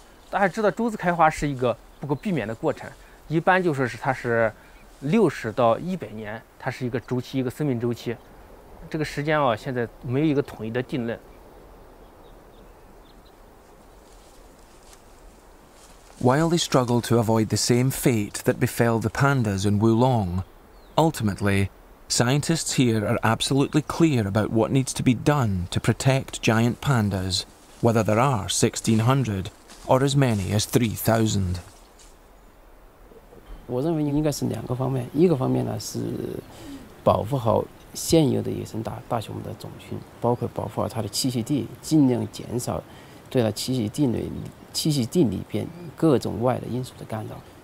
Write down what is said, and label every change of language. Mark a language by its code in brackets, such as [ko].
[zh] 大家知道，竹子开花是一个不可避免的过程。一般就是它是60到100年，它是一个周期，一个生命周期。这个时间啊，现在没有一个统一的定论。 [en] While they struggle to avoid the same fate that befell the pandas in Wulong, ultimately, scientists here are absolutely clear about what needs to be done to protect giant pandas, whether there are 1,600 or as many as 3,000. [zh] 我认为应该是两个方面，一个方面呢是保护好现有的野生大熊的种群，包括保护好它的栖息地，尽量减少对它栖息地里边各种外的因素的干扰。